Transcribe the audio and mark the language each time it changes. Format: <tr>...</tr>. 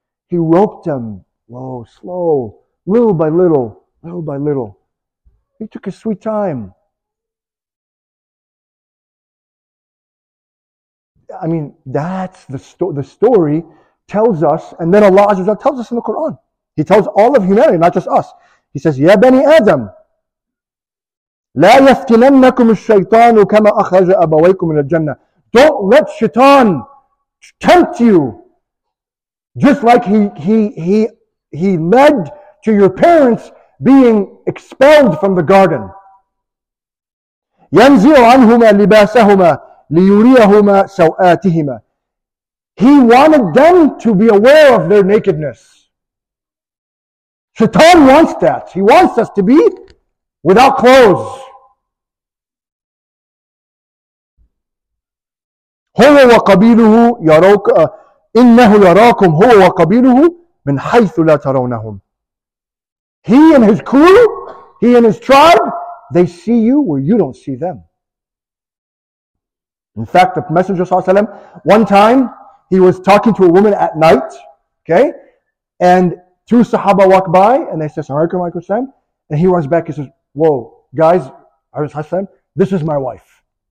<en>He roped him low, slow, little by little, little by little. He took his sweet time. I mean, that's the story tells us, and then Allah Azza wa Jalla tells us in the Quran. He tells all of humanity, not just us. He says,</en> <ar>Ya Bani Adam, لا يفتننكم الشيطان كما أخرج أبويكم من الجنة.</ar> <en>Don't let Shaitan tempt you. Just like he led to your parents being expelled from the garden.</en> <ar>ينزع عنهما لباسهما ليريهما سوآتهما.</ar> <en>He wanted them to be aware of their nakedness. Shaitan wants that. He wants us to be without clothes.</en> <ar>هو وقبيله يراك إنه يراكم هو وقبيله من حيث لا ترونهم.</ar> <en>He and his crew, he and his tribe, they see you where you don't see them. In fact, the Messenger صلى الله عليه وسلم, one time he was talking to a woman at night, okay, and two Sahaba walk by and they say, "Assalamu alaikum, Hassan," and he runs back and says, "Whoa, guys, Hassan, this is my wife."</en>